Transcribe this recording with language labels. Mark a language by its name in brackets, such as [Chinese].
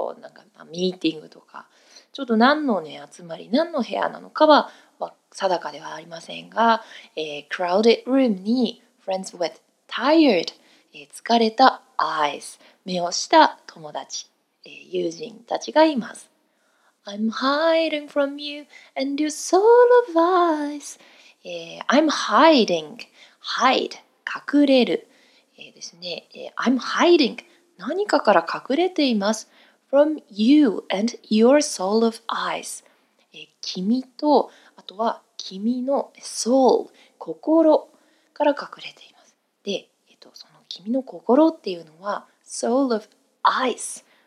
[Japanese] かミーティングとか、ちょっと何のね、集まり、何の部屋なのかは、まあ、定かではありませんが、crowded room に [English] friends with tired、 [Japanese] 疲れた eyes、 目をした友達、友人たちがいます。 [English] I'm hiding from you and your soul of ice.、I'm hiding. Hide. [Japanese] 隠れる。ですね。 [English] I'm hiding. [Japanese] 何かから隠れています。 [English] From you and your soul of ice.、 [Japanese] 君と、あとは君の soul、 心から隠れています。で、その君の心っていうのは [English] soul of ice。